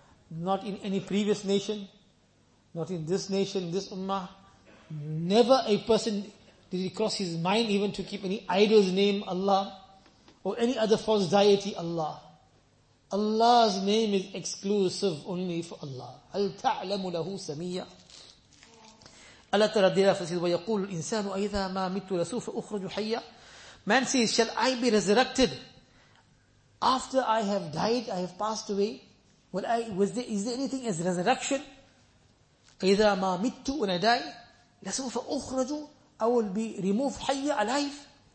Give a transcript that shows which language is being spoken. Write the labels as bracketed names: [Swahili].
[English] Not in any previous nation. Not in this nation, this ummah. Never a person did it cross his mind even to keep any idol's name Allah or any other false deity Allah. Allah's name is exclusive only for Allah. [Arabic] هَلْ تَعْلَمُ لَهُ سَمِيَّا. [English] Allah Ta'ala did that and [Arabic] وَيَقُولُ الْإِنسَانُ أَيْذَا مَا مِتُّ لَسُوفَ أُخْرَجُ حَيَّا. [English] Man says, shall I be resurrected? After I have died, I have passed away. Is there anything as resurrection? [Arabic] إِذَا مَا مِتُّ [English] when I die, [Arabic] لَسُوفَ أُخْرَجُ [English] I will be removed حَيَّا alive.